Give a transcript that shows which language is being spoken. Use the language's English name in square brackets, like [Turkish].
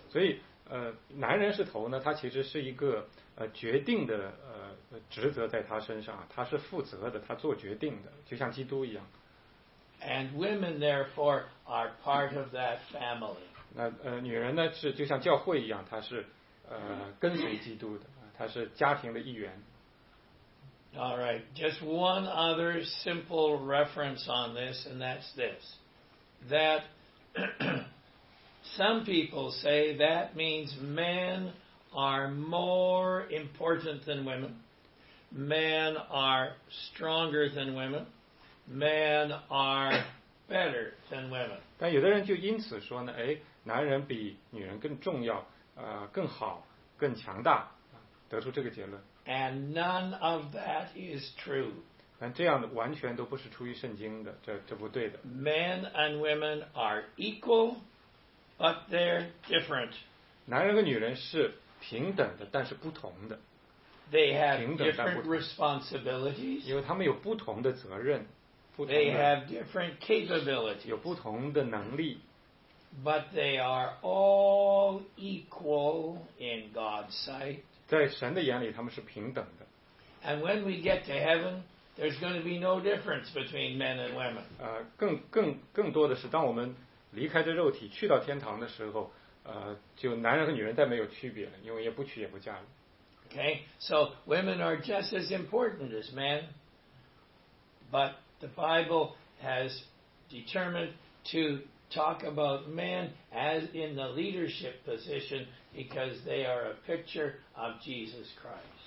[Chinese] 所以男人是头呢，他其实是一个决定的职责在他身上，他是负责的，他做决定的，就像基督一样。 [English] And women, therefore, are part of that family. [Chinese] 那女人呢，是就像教会一样，她是跟随基督的，她是家庭的一员。 [English] All right, just one other simple reference on this, and that's this. That some people say that means men are more important than women. Men are stronger than women. Men are better than women. [Chinese] 但有的人就因此说呢，哎，男人比女人更重要，更好，更强大，得出这个结论。 [English] And none of that is true. [Chinese] 但这样完全都不是出于圣经的，这不对的。 [English] Men and women are equal, but they're different. [Chinese] 男人和女人是平等的，但是不同的。 [English] They have different responsibilities. [Chinese] 因为他们有不同的责任。 [English] They have different capabilities. [Chinese] 有不同的能力。 [English] But they are all equal in God's sight. [Chinese] 在神的眼里，他们是平等的。 [English] And when we get to heaven, there's going to be no difference between men and women. [Chinese] 更多的是，当我们离开这肉体去到天堂的时候，就男人和女人再没有区别了，因为也不娶也不嫁了。 [English] Okay, so women are just as important as men, but the Bible has determined to talk about men as in the leadership position because they are a picture of Jesus Christ.